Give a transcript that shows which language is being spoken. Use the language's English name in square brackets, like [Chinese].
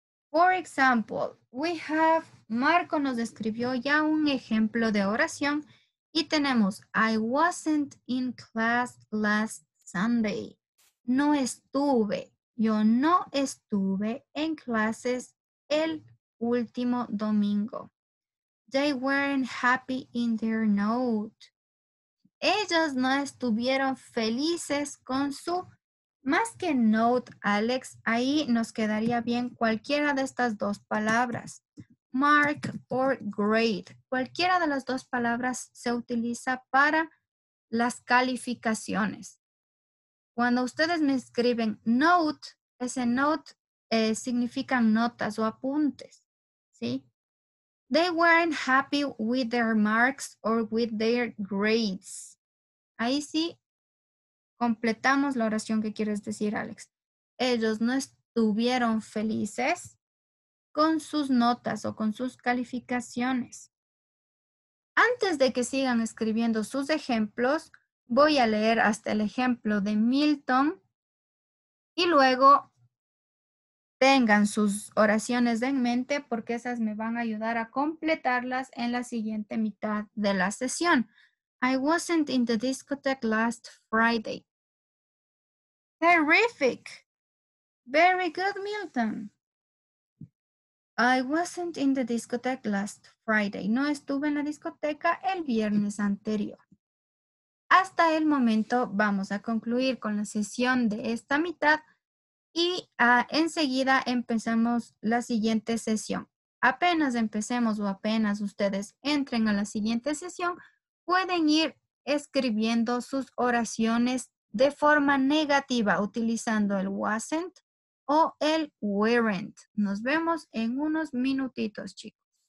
[English] For example, we have, [Spanish] Marco nos escribió ya un ejemplo de oración y tenemos, [English] I wasn't in class last Sunday. [Spanish] No estuve, yo no estuve en clases el último domingo. [English] They weren't happy in their note. [Spanish] Ellos no estuvieron felices con su más que note, Alex, ahí nos quedaría bien cualquiera de estas dos palabras. [English] Mark or grade. [Spanish] Cualquiera de las dos palabras se utiliza para las calificaciones. Cuando ustedes me escriben note, ese note significa notas o apuntes. ¿Sí? [English] They weren't happy with their marks or with their grades. [Spanish] Ahí sí. Completamos la oración que quieres decir, Alex. Ellos no estuvieron felices con sus notas o con sus calificaciones. Antes de que sigan escribiendo sus ejemplos, voy a leer hasta el ejemplo de Milton y luego tengan sus oraciones en mente porque esas me van a ayudar a completarlas en la siguiente mitad de la sesión. [English] I wasn't in the discotheque last Friday. Terrific. Very good, Milton. I wasn't in the discotheque last Friday. [Spanish] No estuve en la discoteca el viernes anterior. Hasta el momento vamos a concluir con la sesión de esta mitad y enseguida empezamos la siguiente sesión. Apenas empecemos o apenas ustedes entren a la siguiente sesión, pueden ir escribiendo sus oraciones de forma negativa, utilizando el wasn't o el weren't. Nos vemos en unos minutitos, chicos.